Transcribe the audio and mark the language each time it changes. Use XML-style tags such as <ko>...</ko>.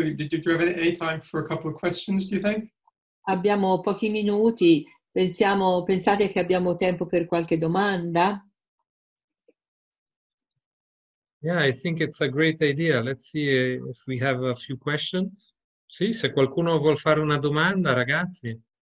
<en>Do you have any time for a couple of questions? Do you think?</en> <it>Abbiamo pochi minuti, pensate che abbiamo tempo per qualche domanda?</it> <en>Yeah, I think it's a great idea. Let's see if we have a few questions.</en> <it>Sì, se qualcuno vuol fare una domanda, ragazzi.</it>